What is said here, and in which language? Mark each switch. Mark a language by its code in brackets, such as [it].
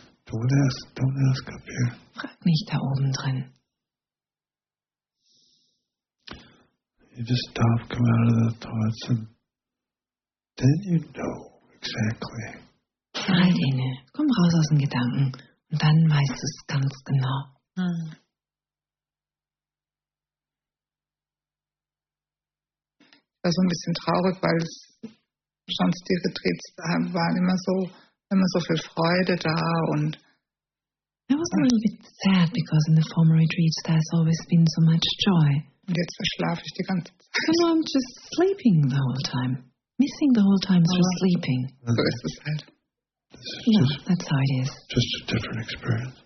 [en] Don't ask up here. [de] Frag nicht da oben drin. [en] You just stop, come out of the thoughts, and then you know exactly. [de] Frei Lene, komm raus aus den Gedanken, und dann weißt du es ganz genau. Ich war so ein bisschen traurig, weil es sonst die Retreats waren immer so viel Freude da und. [en] I was a little bit sad because in the former retreats there's always been so much joy. [de] Und jetzt verschlafe ich die ganze Zeit. [en] So now I'm just sleeping the whole time. Missing the whole time through sleeping. [de] So ist es halt. [en] That's how it is. Just a different experience.